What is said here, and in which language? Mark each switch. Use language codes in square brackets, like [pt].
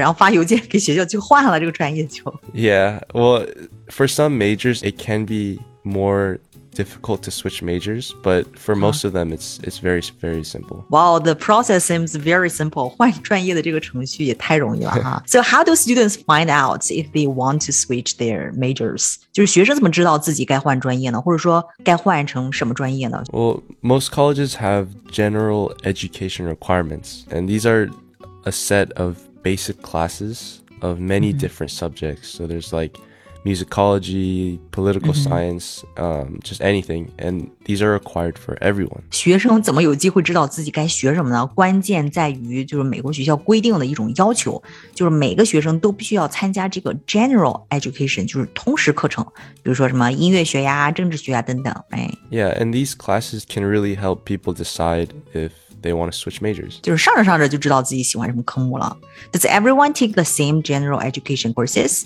[zh] 然后发邮件给学校就换了这个专业就。 [en] Yeah, well, for some majors, it can be more difficult to switch majors, but for most、huh. of them, it's very, very simple. Wow, the process seems very simple. [zh] 换专业的这个程序也太容易了哈。 [en] So how do students find out if they want to switch their majors? [zh] 就是学生怎么知道自己该换专业呢？或者说该换成什么专业呢？ [en] Well, most colleges have general education requirements, and these are a set of basic classes of many、mm-hmm. different subjects. So there's like,musicology, political、mm-hmm. science, just anything. And these are required for everyone. [zh] 学生怎么有机会知道自己该学什么呢？关键在于就是美国学校规定的一种要求，就是每个学生都必须要参加这个 general education, 就是通识课程，比如说什么音乐学呀、政治学呀等等、right? [en] Yeah, and these classes can really help people decide if they want to switch majors. [zh] 就是上着上着就知道自己喜欢什么科目了。 [en] Does everyone take the same general education courses?